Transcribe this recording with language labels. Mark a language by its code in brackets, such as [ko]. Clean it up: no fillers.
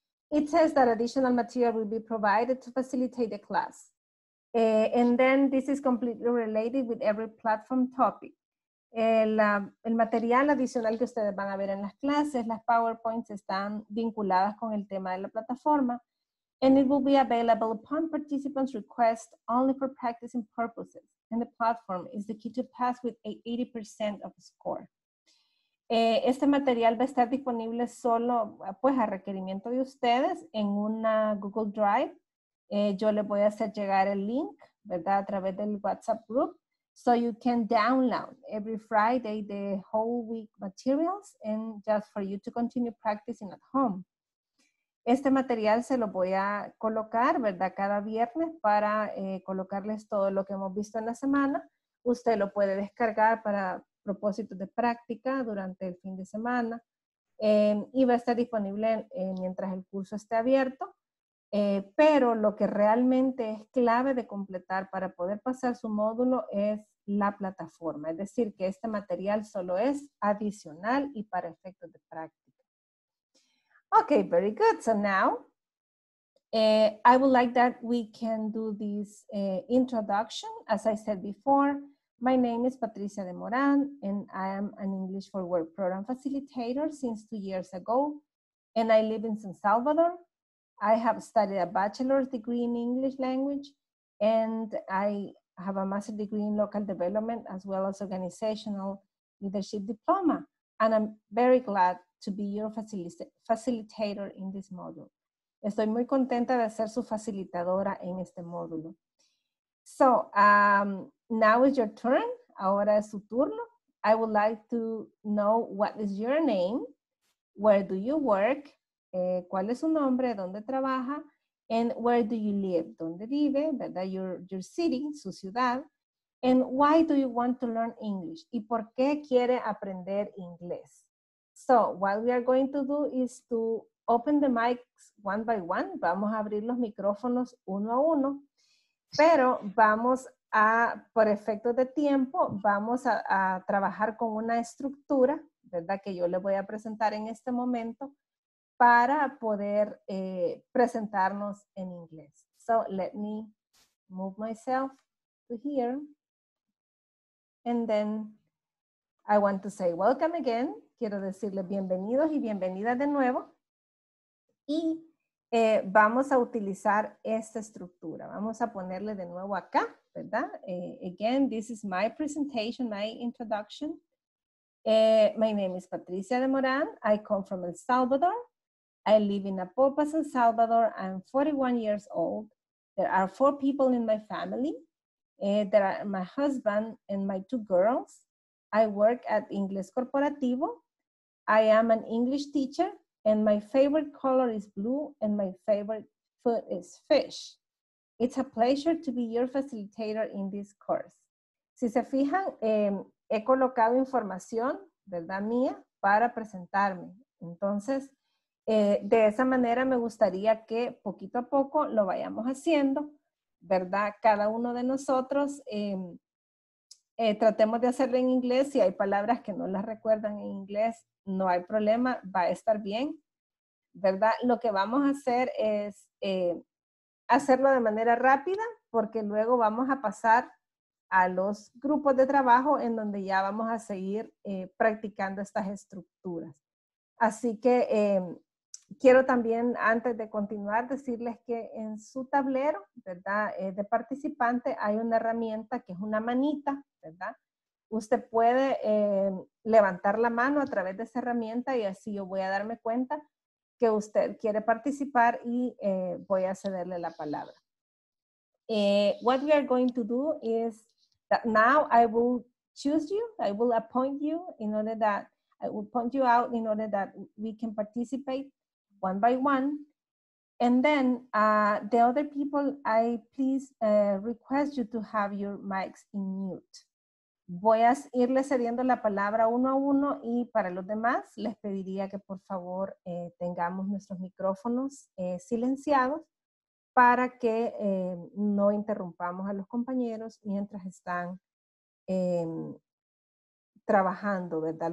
[en] It says that additional material will be provided to facilitate the class. And then this is completely related with every platform topic. [es] El material adicional que ustedes van a ver en las clases, las PowerPoints, están vinculadas con el tema de la plataforma. [en] And it will be available upon participants' request only for practicing purposes. And the platform is the key to pass with 80% of the score. [es] Este material va a estar disponible solo pues, a requerimiento de ustedes en una Google Drive. Yo les voy a hacer llegar el link, ¿verdad? A través del WhatsApp group. [en] So you can download every Friday the whole week materials and just for you to continue practicing at home. [es] Este material se lo voy a colocar, ¿verdad? Cada viernes para colocarles todo lo que hemos visto en la semana. Usted lo puede descargar para propósitos de práctica durante el fin de semana. Y va a estar disponible mientras el curso esté abierto. Pero lo que realmente es clave de completar para poder pasar su módulo es la plataforma. Es decir, que este material solo es adicional y para efectos de práctica. [en] Okay, very good. So now I would like that we can do this introduction. As I said before, my name is Patricia de Moran and I am an English for Work program facilitator since 2 years ago. And I live in San Salvador. I have studied a bachelor's degree in English language and I have a master's degree in local development as well as organizational leadership diploma. And I'm very glad to be your facilitator in this module. [es] Estoy muy contenta de ser su facilitadora en este módulo. [en] So, now is your turn. [es] Ahora es su turno. [en] I would like to know what is your name, where do you work, [es] ¿Cuál es su nombre? ¿Dónde trabaja? [en] And where do you live? [es] ¿Dónde vive? ¿Verdad? [en] Your city, [es] su ciudad. [en] And why do you want to learn English? [es] ¿Y por qué quiere aprender inglés? [en] So, what we are going to do is to open the mics one by one. [es] Vamos a abrir los micrófonos uno a uno. Pero vamos a, por efectos de tiempo, vamos a trabajar con una estructura, ¿verdad? Que yo le voy a presentar en este momento para poder presentarnos en inglés. [en] So, let me move myself to here. And then I want to say welcome again. [es] Quiero decirles bienvenidos y bienvenidas de nuevo. Y vamos a utilizar esta estructura. Vamos a ponerle de nuevo acá, ¿verdad? [en] Again, this is my presentation, my introduction. My name is Patricia de Morán. I come from El Salvador. I live in Apopa, San Salvador. I'm 41 years old. There are 4 people in my family. There are my husband and my 2 girls. I work at Inglés Corporativo. I am an English teacher, and my favorite color is blue, and my favorite food is fish. It's a pleasure to be your facilitator in this course. [es] Si se fijan, he colocado información, ¿verdad, mía? Para presentarme. Entonces, de esa manera me gustaría que poquito a poco lo vayamos haciendo, ¿verdad? Cada uno de nosotros tratemos de hacerlo en inglés. Si hay palabras que no las recuerdan en inglés, no hay problema, va a estar bien, ¿verdad? Lo que vamos a hacer es hacerlo de manera rápida, porque luego vamos a pasar a los grupos de trabajo en donde ya vamos a seguir practicando estas estructuras. Así que quiero también, antes de continuar, decirles que en su tablero, ¿verdad? De participante hay una herramienta que es una manita, ¿verdad? Usted puede levantar la mano a través de esa herramienta y así yo voy a darme cuenta que usted quiere participar y voy a cederle la palabra. [en] What we are going to do is that now I will choose you, I will appoint you in order that, I will point you out in order that we can participate one by one. And then the other people, I please request you to have your mics in mute. [es] Voy a irle cediendo la palabra uno a uno y para los demás les pediría que por favor tengamos nuestros micrófonos silenciados para que no interrumpamos a los compañeros mientras están trabajando, ¿verdad?